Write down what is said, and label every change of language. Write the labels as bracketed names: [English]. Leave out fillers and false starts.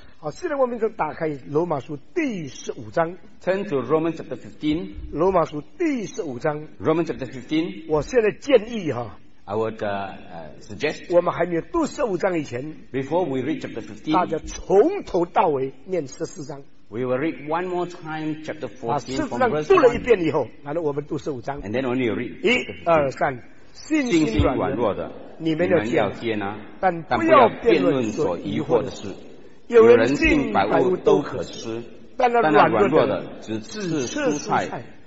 [Chinese] 好，现在我们就打开罗马书第十五章。 [English] Turn to Romans chapter 15。 [Chinese] 罗马书第十五章。 [English] Romans chapter 15。 [Chinese] 我现在建议哈。 [English] I would suggest. [Chinese] 我们还没有读十五章以前。 [English] Before we read chapter 15。 [Chinese] 大家从头到尾念十四章。 [English] We will read one more time chapter 14 from verse 1. [Chinese] 十四章读了一遍以后，然后我们读十五章。 [English] And then only read. [Chinese] 一二三。信心软弱的，你们要接纳，但不要辩论所疑惑的事。有人信百物都可吃，但那软弱的只吃蔬菜。